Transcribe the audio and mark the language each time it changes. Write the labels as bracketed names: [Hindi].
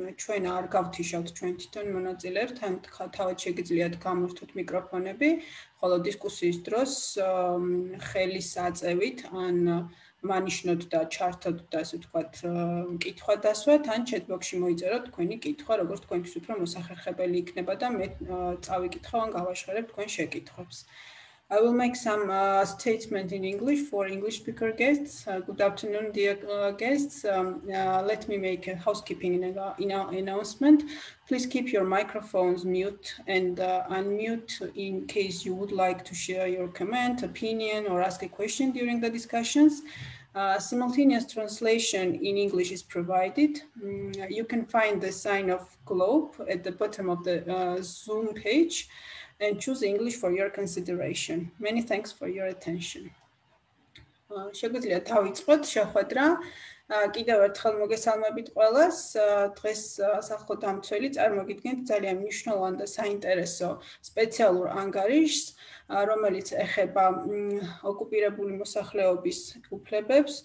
[Georgian] ჩვენ არ გავთიშავთ ჩვენ თვითონ მონაწილეებს, თან თავად შეგიძლიათ გამართოთ მიკროფონები, ხოლო დისკუსიის დროს ხელის აწევით ან მანიშნოთ და ჩართოთ და ასე ვთქვათ, კითხვა დასვათ, ან ჩეტბოქსში მოიწეროთ თქვენი კითხვა, როგორც თქვენთვის უფრო მოსახერხებელი იქნება და მე წავიკითხავ ან გავაშხერებ თქვენ შეკითხვებს. [English] I will make some statement in English for English speaker guests. Good afternoon, dear guests. Let me make a housekeeping announcement. Please keep your microphones mute and unmute in case you would like to share your comment, opinion, or ask a question during the discussions. Simultaneous translation in English is provided. You can find the sign of globe at the bottom of the Zoom page. And choose English for your consideration. Many thanks for your attention. [Georgian] Შეგვიძლია დავიწყოთ შეხვედრა. Კიდევ ერთხელ მოგესალმებით ყველას. დღეს სახლო დამცველი წარმოგიდგენთ ძალიან მნიშვნელოვან და საინტერესო სპეციალურ ანგარიშს, რომელიც ეხება ოკუპირებული მოსახლეობის უფლებებს.